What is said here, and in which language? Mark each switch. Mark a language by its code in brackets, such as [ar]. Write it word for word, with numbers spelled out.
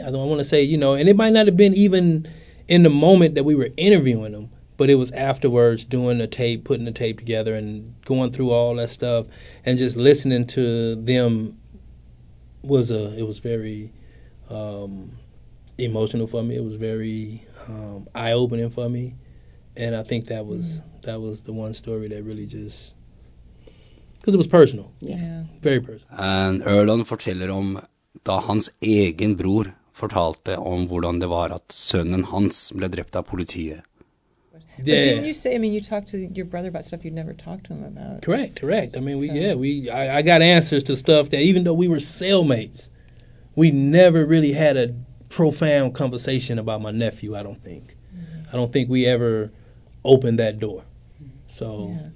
[en] I don't want to say, you know, and it might not have been even in the moment that we were interviewing them, but it was afterwards doing the tape, putting the tape together and going through all that stuff and just listening to them was a it was very um emotional for me. It was very um eye-opening for me, and I think that was mm. that was the one story that really just, because it was personal. Yeah, very personal. [no] And Erland forteller om da hans egen bror fortalte om hvordan det var at sønnen hans ble drept av politiet. [en] But didn't you say, I mean, you talked to your brother about stuff you'd never talked to him about. Correct, correct. I mean, we, so. yeah, we, I, I got answers to stuff that even though we were cellmates, we never really had a profound conversation about my nephew, I don't think. Mm-hmm. I don't think we ever opened that door. So yeah.